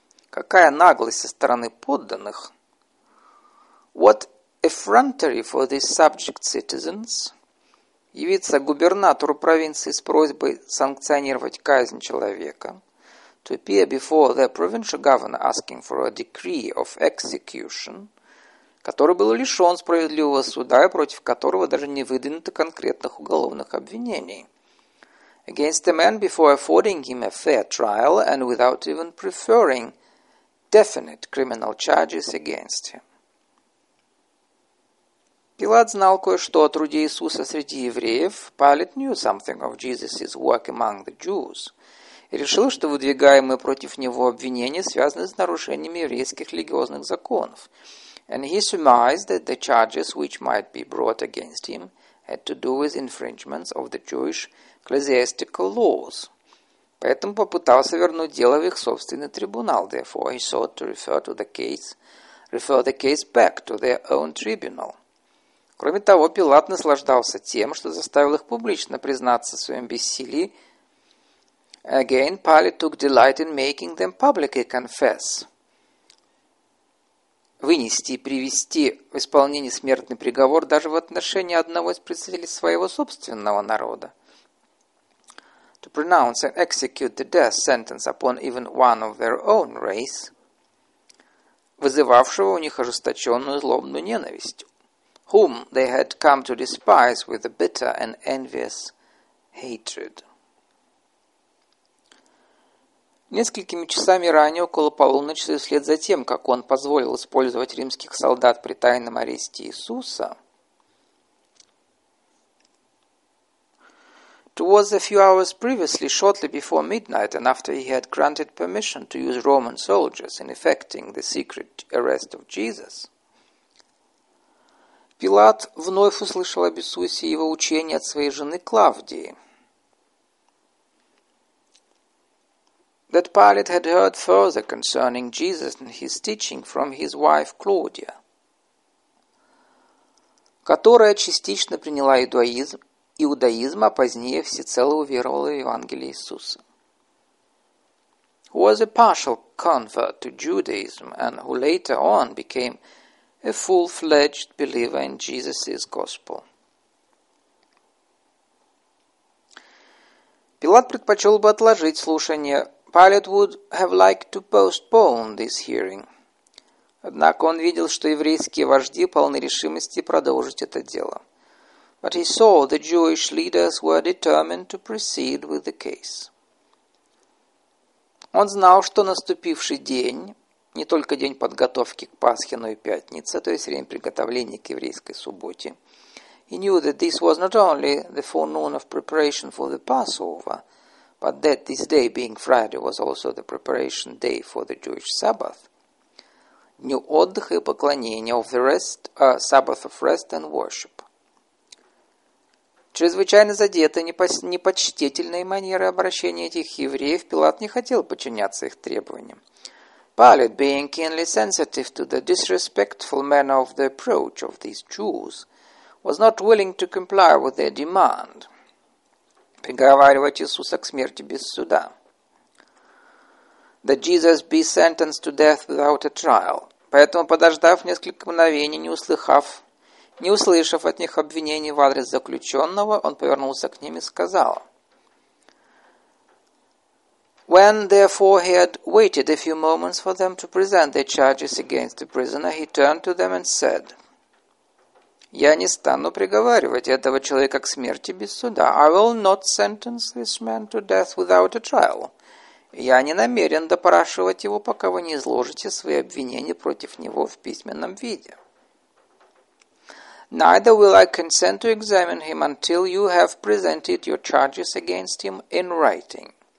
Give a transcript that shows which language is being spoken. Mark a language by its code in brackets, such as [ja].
[ru] Какая наглость со стороны подданных! [en] What effrontery for these subject citizens! [ru] Явиться губернатору провинции с просьбой санкционировать казнь человека. [en] To appear before the provincial governor asking for a decree of execution. [ru] который был лишен справедливого суда и против которого даже не выдвинуто конкретных уголовных обвинений. [en] Against a man before affording him a fair trial and without even preferring definite criminal charges against him. [ru] Пилат знал кое-что о труде Иисуса среди евреев. [en] Pilate knew something of Jesus' work among the Jews. [ru] И решил, что выдвигаемые против него обвинения связаны с нарушениями еврейских религиозных законов. [en] And he surmised that the charges which might be brought against him had to do with infringements of the Jewish ecclesiastical laws. [ru] Поэтому попытался вернуть дело в их собственный трибунал. [en] Therefore, he sought to refer the case back to their own tribunal. [ru] Кроме того, Пилат наслаждался тем, что заставил их публично признаться в своем бессилии. [en] Again, Pilate took delight in making them publicly confess. [ru] Вынести и привести в исполнение смертный приговор даже в отношении одного из представителей своего собственного народа. [en] To pronounce and execute the death sentence upon even one of their own race, [ru] вызывавшего у них ожесточенную злобную ненависть. [en] Whom they had come to despise with a bitter and envious hatred. [ru] Несколькими часами ранее, около полуночи, вслед за тем, как он позволил использовать римских солдат при тайном аресте Иисуса, [en] towards a few hours previously, shortly before midnight, and after he had granted permission to use Roman soldiers in effecting the secret arrest of Jesus, [ru] Пилат вновь услышал об Иисусе его учение от своей жены Клавдии. [en] That Pilate had heard further concerning Jesus and his teaching from his wife Claudia, [ru] которая частично приняла иудаизм, а позднее всецело уверовала в Евангелие Иисуса. [en] Who was a partial convert to Judaism and who later on became a full-fledged believer in Jesus' gospel. [ru] Пилат предпочел бы отложить слушание. [en] Pilate would have liked to postpone this hearing. [ru] Однако он видел, что еврейские вожди полны решимости продолжить это дело. [en] But he saw the Jewish leaders were determined to proceed with the case. [ru] Он знал, что наступивший день, не только день подготовки к Пасхе, но и Пятница, то есть время приготовления к еврейской субботе. [en] He knew that this was not only the forenoon of preparation for the Passover, but that this day, being Friday, was also the preparation day for the Jewish Sabbath, [ru] дню отдыха и поклонения, [en] of the rest, Sabbath of rest and worship. [ru] Чрезвычайно задетой непочтительной манерой обращения этих евреев, Пилат не хотел подчиняться их требованиям. [en] Pilate, being keenly sensitive to the disrespectful manner of the approach of these Jews, was not willing to comply with their demand. [ru] Приговаривать Иисуса к смерти без суда. [en] That Jesus be sentenced to death without a trial. [ru] Поэтому, подождав несколько мгновений, не услышав от них обвинений в адрес заключенного, он повернулся к ним и сказал. [en] When, therefore, he had waited a few moments for them to present their charges against the prisoner, he turned to them and said, [ru] «Я не стану приговаривать этого человека к смерти без суда. [en] I will not sentence this man to death without a trial. [ru] Я не намерен допрашивать его, пока вы не изложите свои обвинения против него в письменном виде». [en] Neither will I consent to examine him until you have presented your charges against him in writing.